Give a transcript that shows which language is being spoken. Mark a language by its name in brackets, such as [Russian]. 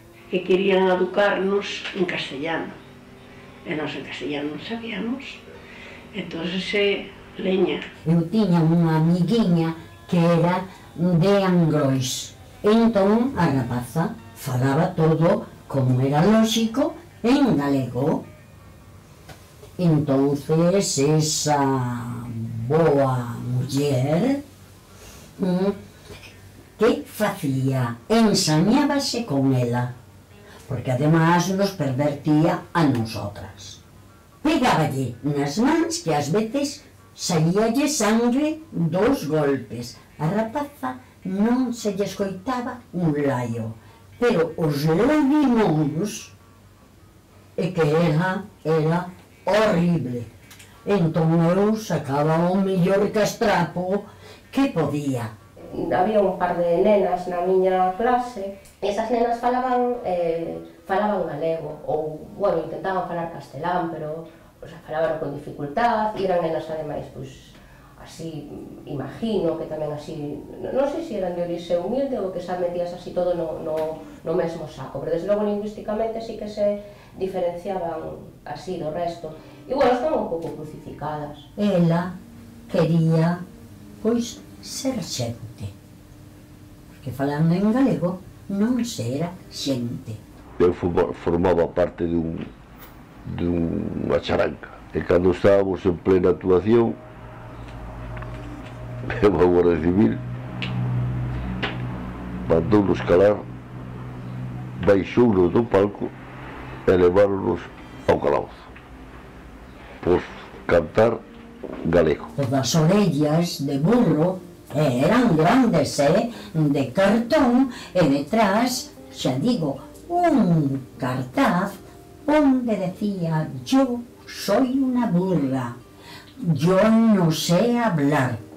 [Galician] Que querían educarnos en castellano. E nos en castellano non sabíamos. Entón, ese leña. Eu tiña unha amiguinha que era de Angrois. Entón, a rapaza falaba todo, como era lógico, en galego. Entón, esa boa muller, que facía? Ensañábase con ela, porque además nos pervertía a nosotras. Pegáballe nas mans que ás veces saíalle sangre dos golpes. A rapaza non se lle escoitaba un laio, pero os lagrimóns e que era horrible. Entón eu sacaba o mellor castrapo que podía. Había un par de nenas na miña clase, e esas nenas falaban galego, ou, bueno, intentaban falar castelán, pero o sea, falaban con dificultad, e eran nenas ademais, pois, así, imagino que tamén así, non sei se eran de orixe humilde ou que xa metías así todo no mesmo saco, pero desde logo lingüísticamente sí que se diferenciaban así do resto. E bueno, están un pouco crucificadas. Ela quería, pois, ser xente. Porque falando en galego, non se era xente. Eu formaba parte dunha charanca. E cando estábamos en plena actuación, a Guardia Civil mandounos calar, baixounos do palco e levaronos ao calabozo por cantar galego. As orellas de burro eran grandes, de cartón, e detrás, xa digo, un cartaz onde decía: [Spanish] yo soy una burra, yo no sé hablar.